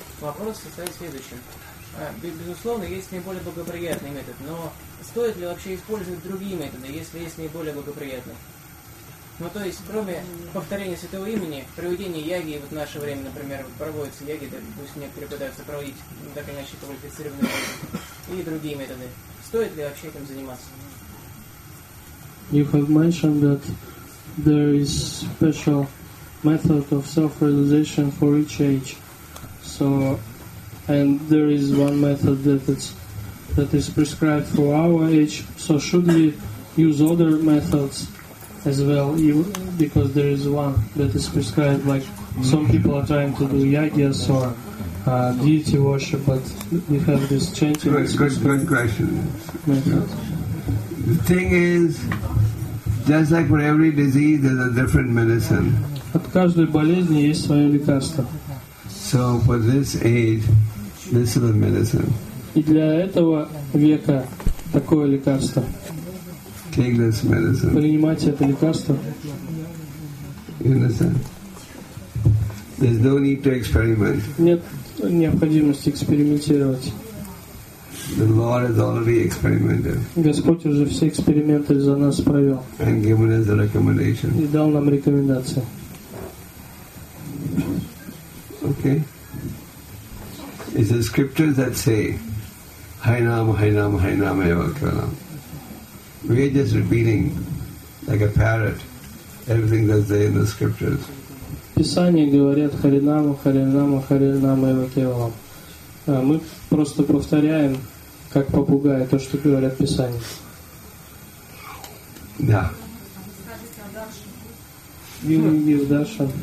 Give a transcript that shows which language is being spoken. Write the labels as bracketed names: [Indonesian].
[Russian] Вопрос состоит в следующем. Безусловно, есть наиболее благоприятный метод, но стоит ли вообще использовать другие методы, если есть наиболее благоприятный? Ну, то есть, кроме повторения святого имени, проведение яги, вот в наше время, например, проводятся яги, да, пусть некоторые пытаются проводить так или иначе квалифицированные методы, и другие методы. Стоит ли вообще этим заниматься? [English] You have mentioned that there is special method of self-realization for each age. So, and there is one method that is prescribed for our age. So should we use other methods as well? Because there is one that is prescribed, like some people are trying to do yagyas or deity worship, but we have this chanting. Good question. Method. The thing is, just like for every disease, there's a different medicine. [Russian] От каждой болезни есть свое лекарство. [English] So for this age, this is the medicine. [Russian] И для этого века такое лекарство. [English] Take this medicine. [Russian] Принимайте это лекарство. [English] You understand? There's no need to experiment. [Russian] Нет необходимости экспериментировать. [English] The Lord has already experimented. [Russian] Господь уже все эксперименты за нас провел. [English] And given us a recommendation. [Russian] И дал нам рекомендации. [English] Okay. It's the scriptures that say, "Hai Nam, Hai Nam, Hai Nam, Evakranam." We are just repeating, like a parrot, everything that's there in the scriptures. [Russian] Писание говорит Хари Наму, Хари Наму, Хари Наму, Эвакранам. Мы просто повторяем, как попугаи, то, что говорят Писания. Да. Скажите о Даршан.